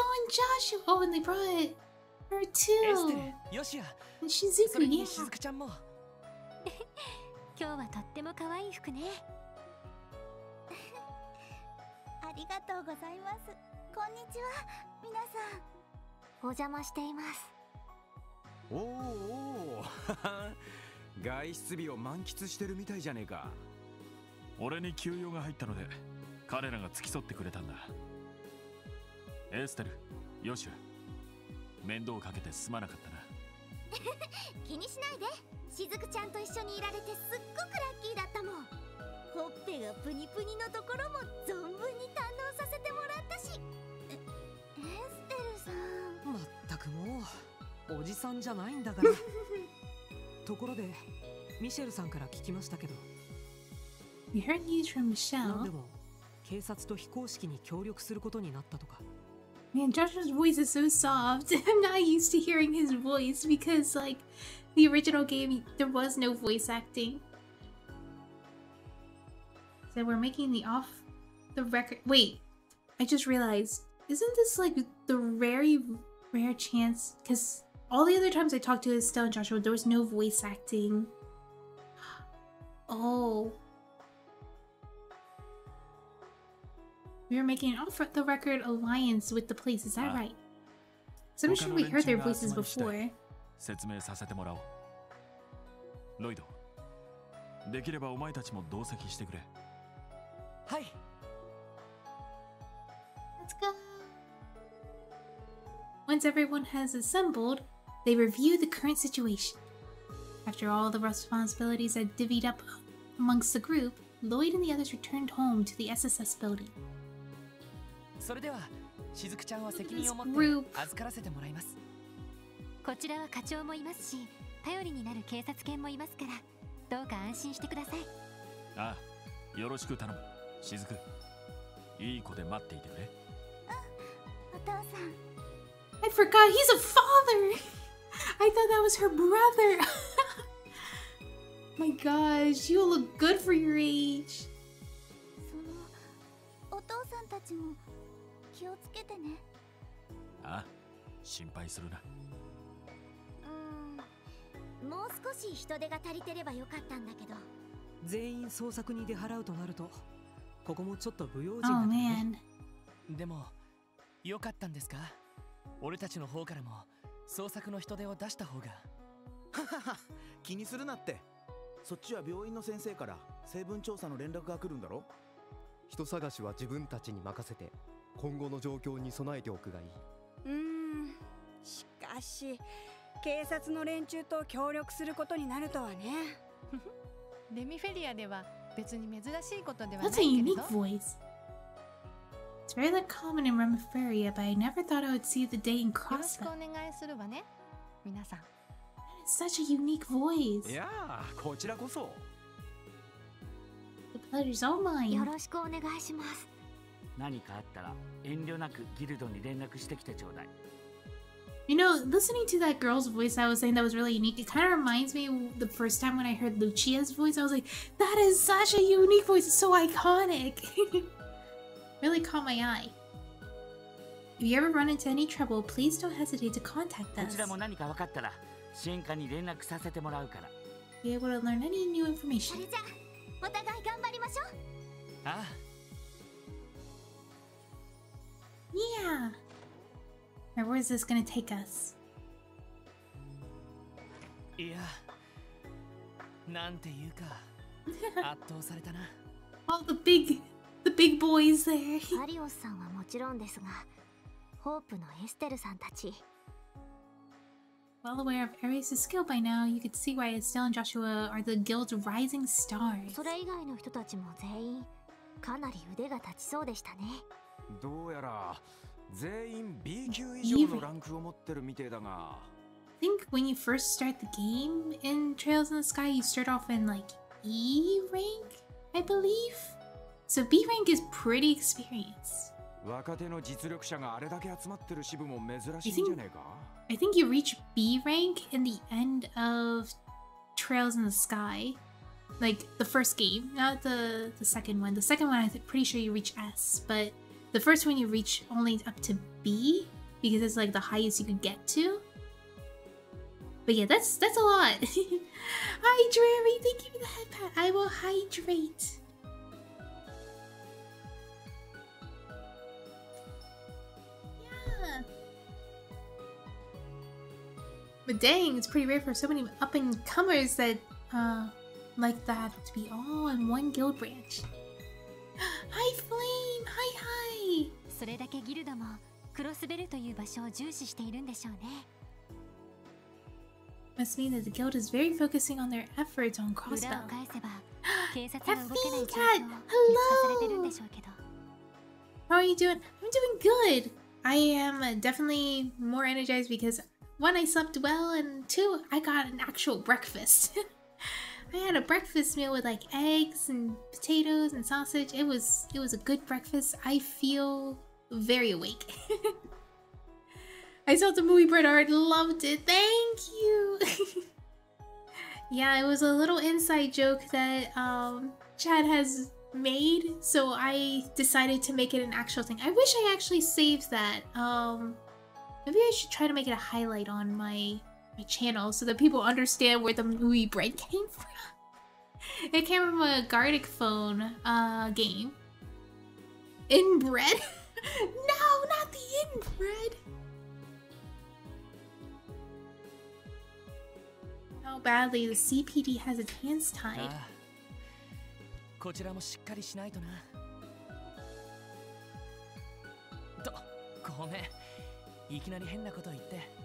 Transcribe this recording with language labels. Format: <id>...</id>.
<en>Joshua, oh, and they brought it, her too. Esther, Yoshia, and Shizuku,</en> <ja>それに</ja> <en>yeah.</en> <ja>Shizuku-chan も。今日はとっても可愛い服ね。ありがとうございます。こんにちは、皆さん。お邪魔しています。おーおお。外出日を満喫してるみたいじゃねえか。俺に休養が入ったので、彼らが付き添ってくれたんだ。エーステル、ヨシュア、面倒をかけてすまなかったな。気にしないで、しずくちゃんと一緒にいられてすっごくラッキーだったもん。ほっぺがプニプニのところも存分に堪能させてもらったし。エーステルさん、まったくもうおじさんじゃないんだから。ところでミシェルさんから聞きましたけど、</ja> <en>You heard news from Michelle。</en> <ja>なんでも警察と非公式に協力することになったとか。</ja> <en>Man, Joshua's voice is so soft. I'm not used to hearing his voice because, like, the original game, there was no voice acting. So we're making the off the record. Wait, I just realized. Isn't this like the very rare chance? Because all the other times I talked to Estelle and Joshua, there was no voice acting. Oh. We were making an off-the-record alliance with the police, is that right? So I'm sure we heard their voices before.</en> <ja>説明させてもらおう。ロイド、できればお前たちも同席してくれ。はい。</ja> <en>Let's go! Once everyone has assembled, they review the current situation. After all the responsibilities had divvied up amongst the group, Lloyd and the others returned home to the SSS building.</en> <ja>それでは、しずくちゃんは責任を持って預からせてもらいます。こちらは課長もいますし、頼りになる警察犬もいますから、どうか安心してください。ああ、よろしく頼む。しずく、いい子で待っていてくれ。うん、お父さん。</ja> <en>I forgot he's a father! I thought that was her brother! My gosh, you look good for your age!</en> <ja>そのお父さんたちも気をつけてね。ああ、心配するな。もう少し人手が足りてればよかったんだけど。全員捜索に出払うとなると、ここもちょっと不用心だ</ja> <en>ね。Oh, man.</en> <ja>でも、よかったんですか？俺たちの方からも捜索の人手を出した方が。気にするなって。そっちは病院の先生から成分調査の連絡が来るんだろ？人探しは自分たちに任せて、今後の状況に備えておくがいい。しかし、警察の連中と協力することになるとはね。レミフェリアでは別に珍しいことではないけれど。</ja> <en>That's a unique voice. It's very like common in Remiferia, but I never thought I would see the day in Crossa.</en> <ja>よろしくお願いするわね、皆さん。</ja> <en>That's such a unique voice.</en> <ja>いやー、こちらこそ。</ja> <en>The pleasure's all mine.</en> <ja>よろしくお願いします。何かあったら遠慮なくギルドに連絡してきてちょうだい。</ja> <en>You know, listening to that girl's voice, I was saying that was really unique. It kind of reminds me the first time when I heard Lucia's voice. I was like, that is such a unique voice. It's so iconic. Really caught my eye. If you ever run into any trouble, please don't hesitate to contact us.</en> <ja>こちらも何か分かったら、支援課に連絡させてもらうから。</ja> <en>Be able to learn any new information.</en> <ja>それじゃ、お互い頑張りましょう。ああ。</ja> <en>Yeah. Where is this gonna take us? Yeah.</en> <ja>なんていうか、圧倒されたな。</ja> <en>All the big boys there.</en> <ja>アリオスさんはもちろんですが、ホープのエステルさんたち。</ja> <en>Well aware of Ares' skill by now, you could see why Estelle and Joshua are the guild's rising stars.</en> <ja>それ以外の人たちも全員かなり腕が立ちそうでしたね。どうやら。全員 B 級以上のランクを持ってるみてえだが。</ja> <en>I think when you first start the game in Trails in the Sky, you start off in like E rank, I believe. So B rank is pretty experienced.</en> <ja>若手の実力者があれだけ集まってる支部も珍しいんじゃねえか。</ja> <en>I think you reach B rank in the end of Trails in the Sky, like the first game, not the second one. The second one, I'm pretty sure you reach S, but. The first one you reach only up to B because it's like the highest you could get to. But yeah, that's a lot. Hydrary, thank you for the head pat. I will hydrate. Yeah. But dang, it's pretty rare for so many up and comers that, like that to be all in one guild branch. Hi, Flame! Hi, hi!</en> <ja>それだけギルドもクロスベルという場所を重視しているんでしょうね。</ja> <en>Must mean that the guild is very focusing on their efforts on Crossbell.</en> <ja>裏を返せば警察が動けない状況を見つかされてるんでしょうけど。</ja> <en>How are you doing? I'm doing good. I am definitely more energized because one, I slept well, and two, I got an actual breakfast. I had a breakfast meal with like eggs and potatoes and sausage. It was a good breakfast. I feel very awake. I saw the movie Bret Hart, loved it. Thank you. Yeah, it was a little inside joke that Chad has made. So I decided to make it an actual thing. I wish I actually saved that. Maybe I should try to make it a highlight on my channel so that people understand where the movie Bret came from. It came from a Gardic phone game. Inbred? No, not the inbred! How badly the CPD has its hands tied.</en> <ja>こちらもしっかりしないとな。と、ごめん。いきなり変なこと言って。</ja>